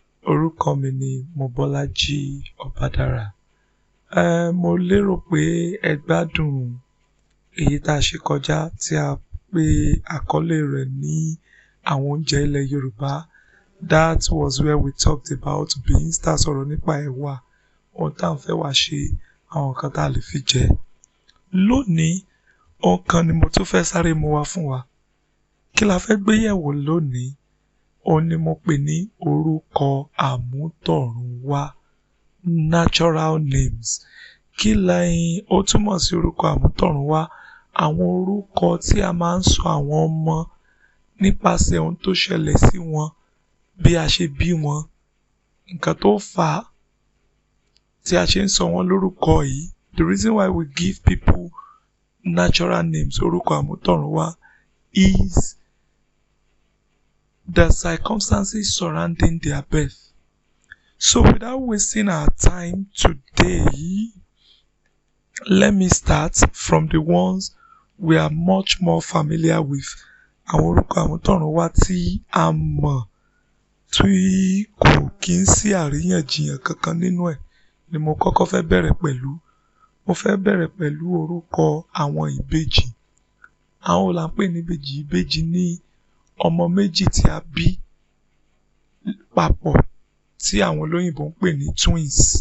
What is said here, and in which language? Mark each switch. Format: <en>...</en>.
<yo>Orúkọ mi ni Mobọ́lájí Ọbádára. Mo lérò pé ẹ gbádùn èyí tá a ṣe kọjá tí a pe àkọlé rẹ̀ ní àwọn oúnjẹ ilẹ̀ Yorùbá.</yo> <en>That was where we talked about beans.</en> <yo>Tá a sọ̀rọ̀ nípa ẹ̀wà. Ohun tá à ń fẹ́ wá ṣe àwọn nǹkan tá a lè fi jẹ. Lónìí, ohun kan ni mo tún fẹ́ sáré mu wá fún wa. Kí la fẹ́ gbé yẹ̀wò lónìí? Ohun ni mo pè ní orúkọ Àmútọ Runwá.</yo> <en>Natural names.</en> <yo>Kí lẹ́yìn ó túmọ̀ sí orúkọ Àmútọ Runwá? Àwọn orúkọ tí a máa ń sọ àwọn ọmọ nípasẹ̀ ohun tó ṣẹlẹ̀ sí wọn, bí a ṣe bí wọn, nǹkan tó fà á, tí a ṣe ń sọ wọ́n lórúkọ yìí.</yo> <en>The reason why we give people natural names,</en> <yo>orúkọ Àmútọ Runwá,</yo> <en>is the circumstances surrounding their birth. So without wasting our time today, let me start from the ones we are much more familiar with.</en> <yo>Àwọn orúkọ Àmútọ Runwá tí a mọ̀ tí kò kí ń sí àríyànjiyàn kankan nínú ẹ̀ ni mo kọ́kọ́ fẹ́ bẹ̀rẹ̀ pẹ̀lú. Mo fẹ́ bẹ̀rẹ̀ pẹ̀lú orúkọ àwọn ìbejì. Àwọn ò là ń pè níbejì. Ìbejì ní ọmọ méjì tí a bí papọ̀ tí àwọn olóyìnbó ń pè ní twins.</yo>